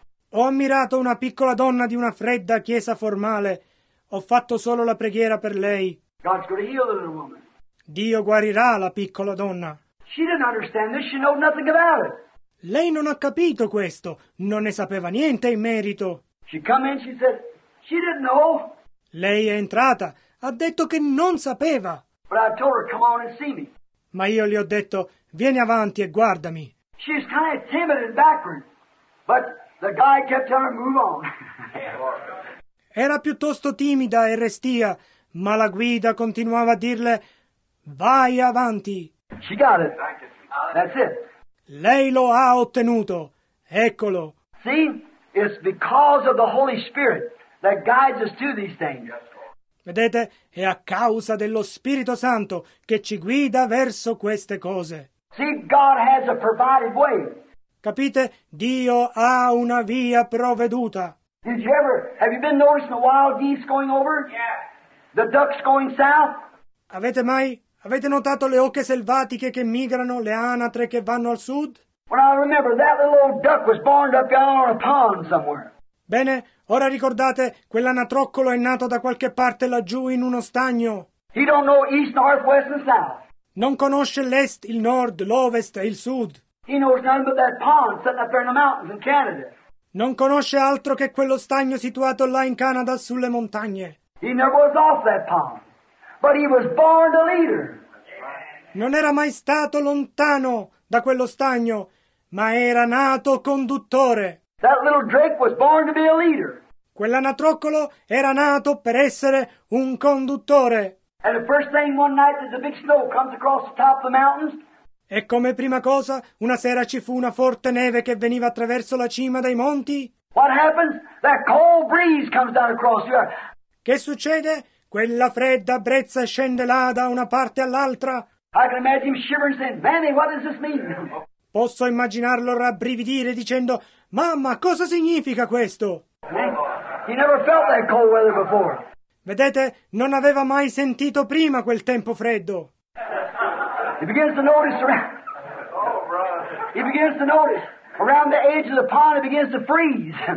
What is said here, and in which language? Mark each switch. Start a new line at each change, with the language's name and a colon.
Italian: Ho ammirato una piccola donna di una fredda chiesa formale. Ho fatto solo la preghiera per lei.
English: God's gonna heal the little woman.
Italian: Dio guarirà la piccola donna.
English: She didn't understand this. She knew nothing about it.
Italian: Lei non ha capito questo. Non ne sapeva niente in merito.
English: She come in, she said, she didn't know.
Italian: Lei è entrata, ha detto che non sapeva.
English: But I told her, come on and see me.
Italian: Ma io le ho detto, vieni avanti e guardami.
English: She's kind of timid and backward, but the guy kept telling her, move on.
Italian: Era piuttosto timida e restia, ma la guida continuava a dirle, vai avanti.
English: She got it. That's it.
Italian: Lei lo ha ottenuto. Eccolo.
English: See? It's because of the Holy Spirit that guides us to these things.
Italian: Vedete, è a causa dello Spirito Santo che ci guida verso queste cose.
English: See, God has a provided way.
Italian: Capite? Dio ha una via provveduta.
English: Did you ever, have you been noticing the wild geese going over? Yeah. The ducks going south?
Italian: Avete notato le oche selvatiche che migrano, le anatre che vanno al sud?
English: Well, I remember that little old duck was born up down on a pond somewhere.
Italian: Bene, ora ricordate, quell'anatroccolo è nato da qualche parte laggiù in uno stagno.
English: He don't know east, north, west, and south.
Italian: Non conosce l'est, il nord, l'ovest e il sud.
English: He knows nothing but that pond sitting up there in the mountains in Canada.
Italian: Non conosce altro che quello stagno situato là in Canada sulle montagne.
English: He never was off that pond, but he was born a leader.
Italian: Non era mai stato lontano da quello stagno, ma era nato conduttore.
English: That little Drake was born to be a leader.
Italian: Quell'anatroccolo era nato per essere un conduttore.
English: And the first thing one night there's a big snow comes across the top of the mountains.
Italian: E come prima cosa, una sera ci fu una forte neve che veniva attraverso la cima dei monti.
English: What happens? That cold breeze comes down across here.
Italian: Che succede? Quella fredda brezza scende là da una parte all'altra.
English: I can imagine him shivering saying, "Manny, what does this mean?"
Italian: Posso immaginarlo rabbrividire dicendo, "Mamma, cosa significa questo?"
English: He never felt that cold weather before.
Italian: Vedete, non aveva mai sentito prima quel tempo freddo.
English: He begins to notice around. He begins to notice around the edge of the pond. It begins to freeze.